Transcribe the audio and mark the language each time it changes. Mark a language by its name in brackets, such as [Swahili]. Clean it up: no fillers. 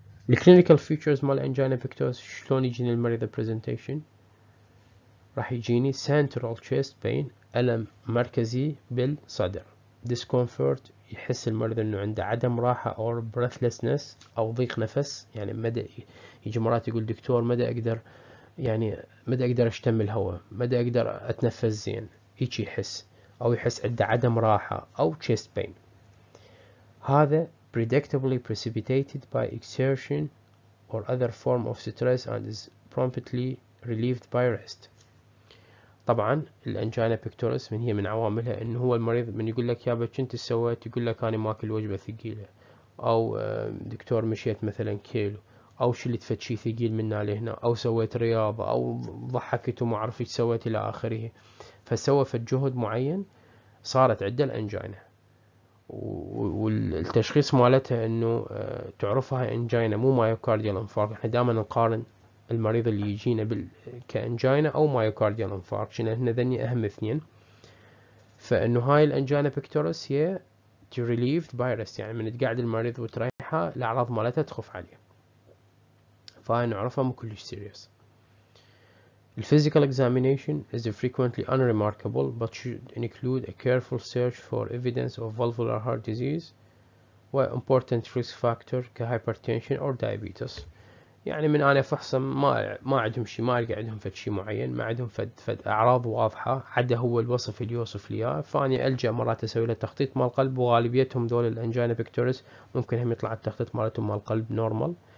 [Arabic] الكلينيكال فيتشرز مال انجينا بيكتوريس شلون يجيني المريض بريزنتيشن؟ راح يجيني سنترال تشيست بين، الم مركزي بالصدر، ديسكومفورت، يحس المريض انه عنده عدم راحه او بريثلسنس او ضيق نفس، يعني مدى يجي مرات يقول دكتور مدى اقدر يعني مدى اقدر اشتم الهواء، مدى اقدر اتنفس زين، هيك يحس، او يحس عنده عدم راحه او تشيست بين. [English] هذا predictably precipitated by exertion or other form of stress and is promptly relieved by rest. [Arabic] طبعا الانجينا بيكتوريس من هي من عواملها انه هو المريض من يقول لك يا بك انت سويت، يقول لك انا ماكل وجبه ثقيله، او دكتور مشيت مثلا كيلو، او شلت فد شي ثقيل من هنا، او سويت رياضه، او ضحكت وما اعرف ايش سويت الى اخره، فسوى فد جهد معين صارت عنده الانجينا، والتشخيص مالتها انه تعرفها انجينا مو مايوكارديال انفارك. احنا دائما نقارن المريض اللي يجينا كانجينا او مايوكارديال انفارك، شنو هن ذني اهم اثنين، فانه هاي الانجينا بيكتوريس هي تو ريليفد باي ريست، يعني من تقعد المريض وتريحها الاعراض مالتها تخف عليه، فهاي نعرفها مو كلش سيريس. [English] الفيزيكال examination is frequently unremarkable but should include a careful search for evidence of valvular heart disease or important risk factor كهايبرتنشن or diabetes. [Arabic] يعني من انا افحصهم ما عندهم شيء، ما القى عندهم فد شيء معين، ما عندهم فد اعراض واضحه حتى هو الوصف اللي يوصف لي اياه. فاني الجا مرات اسوي له تخطيط مال القلب، وغالبيتهم دول الانجينا بيكتوريس ممكن هم يطلع التخطيط مالتهم مال القلب نورمال.